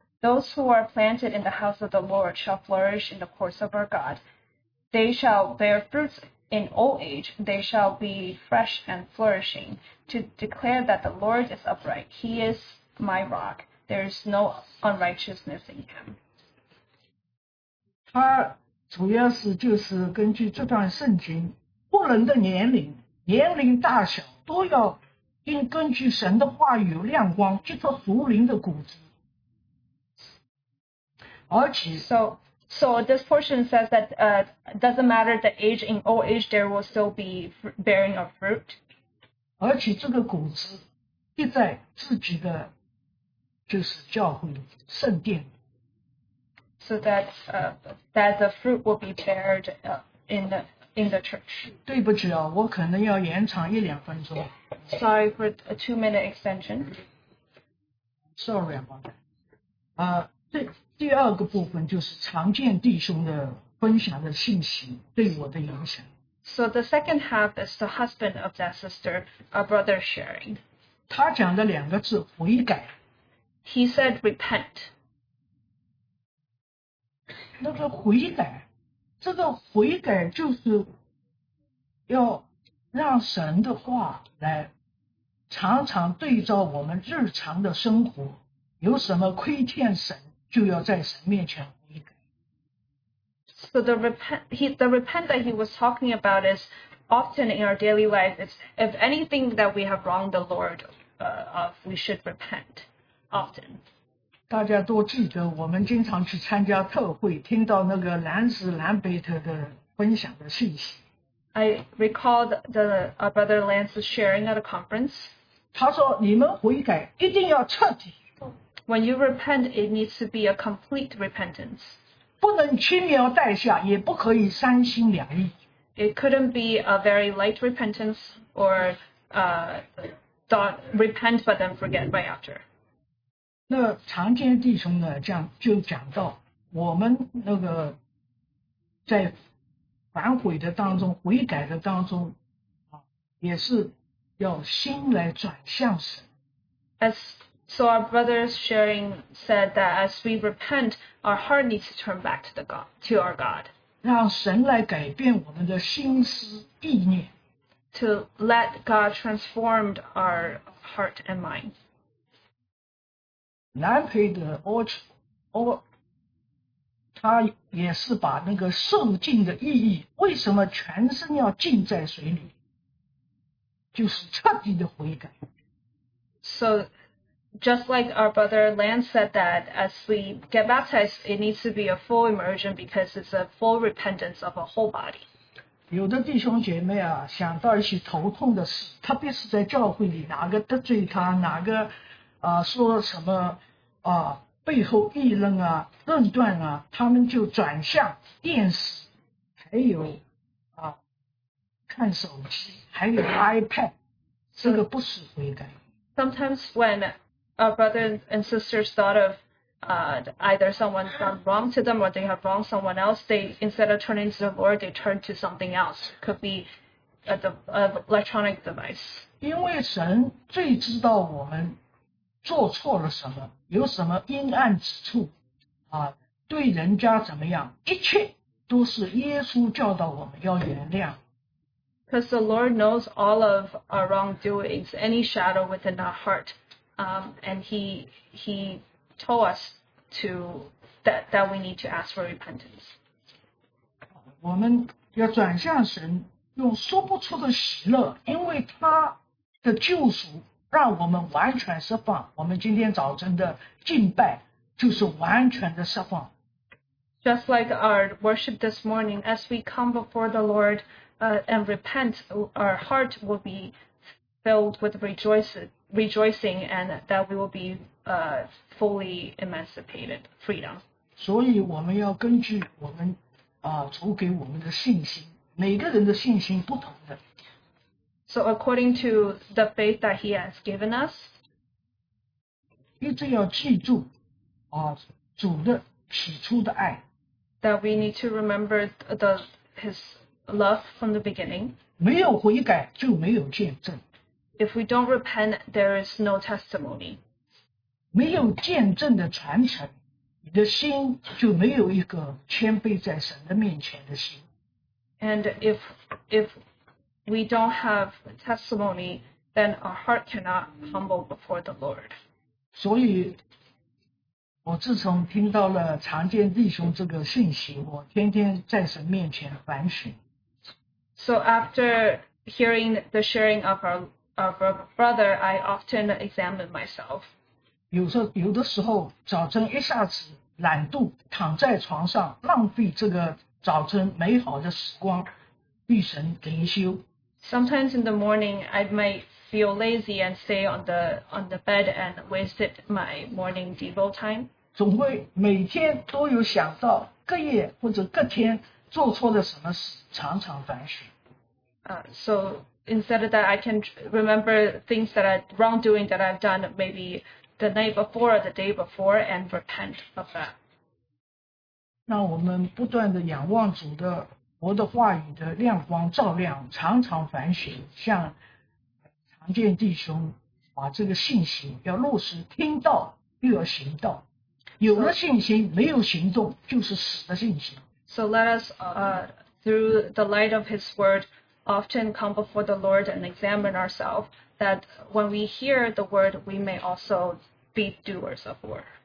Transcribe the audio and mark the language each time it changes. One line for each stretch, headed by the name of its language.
English: Those who are planted in the house of the Lord shall flourish in the courts of our God. They shall bear fruits in old age. They shall be fresh and flourishing. To declare that the Lord is upright, he is my rock. There is no unrighteousness in him.
Chinese: 主要是就是根据这段圣经，不论的年龄大小，都要根据神的话语亮光，激发属灵的果子。而且
English: So this portion says that doesn't matter the age, in old age there will still be bearing of fruit.
Chinese: 而且这个果子必在自己的就是教会里圣殿。
English: So that the fruit will be bared in the church. 对不起啊，我可能要延长一两分钟。 Sorry for a 2-minute extension. Sorry about that.
Chinese: 第二个部分就是常见弟兄的分享的信息对我的影响。
English: So the second half is the husband of that sister, a brother sharing.
Chinese: 他讲的两个字悔改。
English: He said repent.
Chinese: 那个悔改，这个悔改就是要让神的话来常常对照我们日常的生活，有什么亏欠神，就要在神面前悔改。
English: So the repent that he was talking about is often in our daily life. It's if anything that we have wronged the Lord of, we should repent often.
Chinese: 大家都记得我们经常去参加特会，听到那个兰斯·兰贝特的分享的信息。
English: I recall the brother Lance sharing at a conference.
Chinese: 他说你们悔改一定要彻底。
English: When you repent, it needs to be a complete repentance.
Chinese: 不能轻描淡写，也不可以三心两意。
English: It couldn't be a very light repentance or repent but then forget right after.
Chinese: 那常见弟兄呢，就讲到我们那个在反悔的当中，悔改的当中，也是要心来转向神。
English: As so our brother sharing said that as we repent, our heart needs to turn back to the God, to our God.
Chinese: 让神来改变我们的心思意念。
English: To let God transform our heart and mind.
Chinese: 南培德他也是把那个受浸的意义，为什么全身要浸在水里，就是彻底的悔改。
English: So, just like our brother Lan said that as we get baptized, it needs to be a full immersion because it's a full repentance of a whole body.
Chinese: 有的弟兄姐妹啊，想到一些头痛的事，特别是在教会里，哪个得罪他，哪个啊说什么啊。背后议论啊，论断啊，他们就转向电视，还有啊，看手机，还有 iPad， 这个不是悔改。
English: Sometimes when our brothers and sisters thought of either someone done wrong to them or they have wronged someone else, they instead of turning to the Lord, they turn to something else. Could be an electronic device.
Chinese: 因为神最知道我们。做错了什么，有什么阴暗之处啊，对人家怎么样，一切都是耶稣教导我们要原谅。
English: Because the Lord knows all of our wrongdoings, any shadow within our heart, and he told us to, that we need to ask for repentance.
Chinese: 我们要转向神，用说不出的喜乐，因为他的救赎。让我们完全释放，我们今天早晨的敬拜就是完全的释放。
English: Just like our worship this morning, as we come before the Lord, and repent, our heart will be filled with rejoicing, and that we will be, fully emancipated, freedom.
Chinese: 所以我们要根据我们啊主给我们的信心，每个人的信心不同的。
English: So according to the faith that he has given us,
Chinese: 一直要记住啊，主的起初的爱。
English: That we need to remember his love from the beginning.
Chinese: 没有悔改就没有见证。
English: If we don't repent, there is no testimony.
Chinese: 没有见证的传承，你的心就没有一个谦卑在神的面前的心。
English: And if we don't have testimony, then our heart cannot humble before the Lord.
Chinese: 所以，我自从听到了常见弟兄这个信息，我天天在神面前反省。
English: So after hearing the sharing of our brother, I often examine myself.
Chinese: 有的时候早晨一下子懒惰，躺在床上浪费这个早晨美好的时光，与神灵修。
English: Sometimes in the morning, I might feel lazy and stay on the bed and wasted my morning devo time.
Chinese: 总会每天都有想到隔夜或者隔天做错了什么事，常常反省。
English: So instead of that, I can remember things that I wrongdoing that I've done maybe the night before or the day before and repent of that.
Chinese: 那我们不断的仰望主的。我的话语的亮光照亮，常常反省，向常见弟兄把这个信心要落实，听到又要行道。有了信心，没有行动就是死的信心。
English: So let us, through the light of His word, often come before the Lord and examine ourselves, that when we hear the word, we may also be doers of word.